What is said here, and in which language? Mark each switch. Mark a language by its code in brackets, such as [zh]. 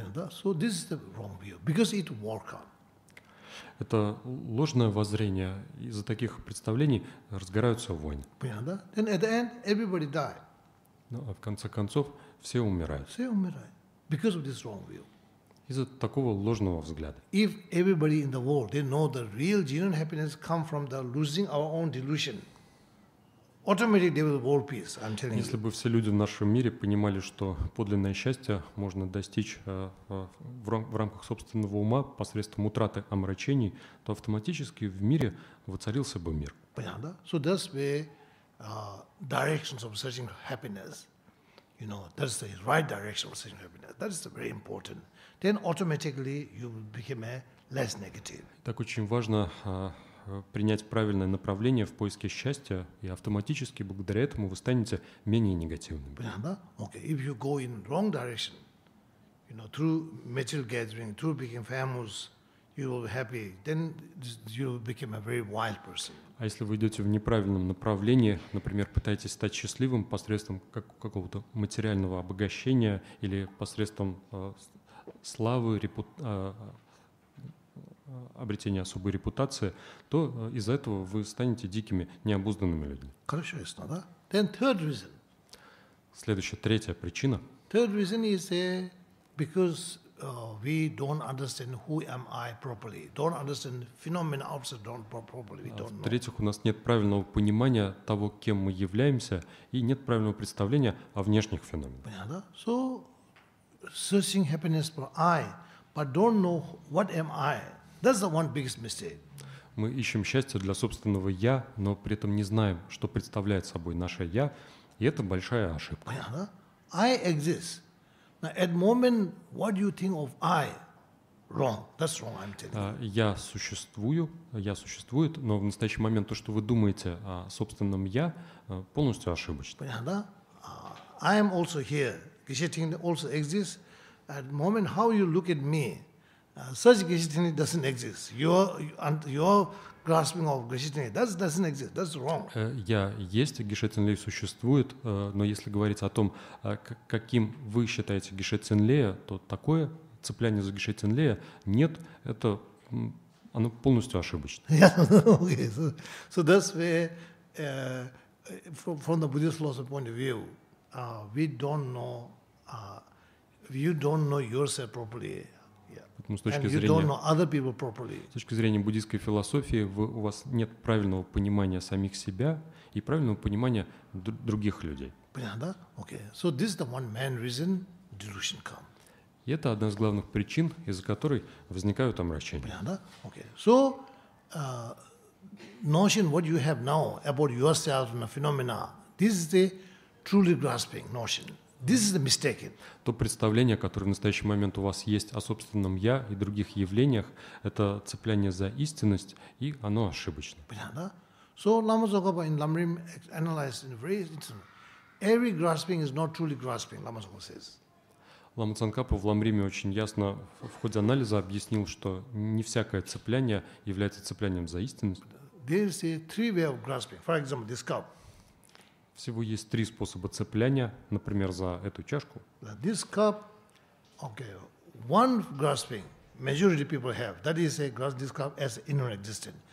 [en] So this is the wrong view, because it work out. [ru] Это ложное воззрение. Из-за таких представлений разгораются войны. Понятно? [en] Then at the end, everybody died. [ru] Ну, а в конце концов, все умирают. Все умирают. [en] Because of this wrong view. [ru] Из-за такого ложного взгляда. [en] If everybody in the world, they know the real genuine happiness comes from the losing our own delusion, automatically they will have world peace, I'm telling you. [ru] Если бы все люди в нашем мире понимали, что подлинное счастье можно достичь в рамках собственного ума посредством утраты омрачений, то автоматически в мире воцарился бы мир. Понятно? [en] So that's the directions of searching happiness. You know, that's the right direction of searching happiness. That's very important. Then automatically you will become less negative. [ru] Так очень важно принять правильное направление в поиске счастья, и автоматически благодаря этому вы станете менее негативным. Понятно? Okay. [en] If you go in wrong direction, you know, through material gathering, through becoming famous, you will be happy. Then you will become a very wild person. [ru] А если вы идете в неправильном направлении, например, пытаетесь стать счастливым посредством какого-то материального обогащения или посредством славы, обретения особой репутации, то из-за этого вы станете дикими, необузданными людьми. Хорошо, ясно, да? [en] Then third reason. [ru] Следующая, третья причина. [en] Third reason is because we don't understand who am I properly, don't understand phenomena outside don't properly, we don't know. [ru] В-третьих, у нас нет правильного понимания того, кем мы являемся, и нет правильного представления о внешних феноменах. Понятно? [en] So, searching happiness for I, but don't know what am I. That's the one biggest mistake. [ru] Мы ищем счастье для собственного я, но при этом не знаем, что представляет собой наше я, и это большая ошибка. Понятно? [en] I exist. Now, at the moment, what do you think of I? Wrong. That's wrong, I'm telling you. [ru] Я существую, я существует, но в настоящий момент то, что вы думаете о собственном я, полностью ошибочно. Понятно? [en] I am also here. Gishetin also exists. At the moment, how you look at me, such Gishetin doesn't exist. Your grasping of Gishetin, that doesn't exist. That's wrong. [ru] Я есть, Гишетин Лея существует, но если говорить о том, каким вы считаете Гишетин Лея, то такое цепляние за Гишетин Лея нет, это оно полностью ошибочно. [en] Yeah, okay. So that's where, from the Buddhist philosophy point of view, we don't know, you don't know yourself properly. [ru] С точки зрения буддийской философии, у вас нет правильного понимания самих себя и правильного понимания других людей. Понятно? Okay. [en] So this is the one main reason delusion comes. [ru] И это одна из главных причин, из-за которой возникают омрачения. Понятно? Okay. [en] So notion what you have now about yourself and phenomena, this is the truly grasping notion. This is the mistake. [ru] То представление, которое в настоящий момент у вас есть о собственном я и других явлениях, это цепляние за истинность, и оно ошибочно. Понятно? [en] So Lama Tsongkhapa in Lamrim analyzed in a very interesting. Every grasping is not truly grasping, Lama Tsongkhapa says. [ru] Лама Цанкапа в Ламриме очень ясно в ходе анализа объяснил, что не всякое цепляние является цеплянием за истинность. [en] There is three ways of grasping. For example, this cup. [ru] Всего есть три способа цепляния, например, за эту чашку. [en] This cup, okay, one grasping majority people have, that is a grasp this cup as inner existence.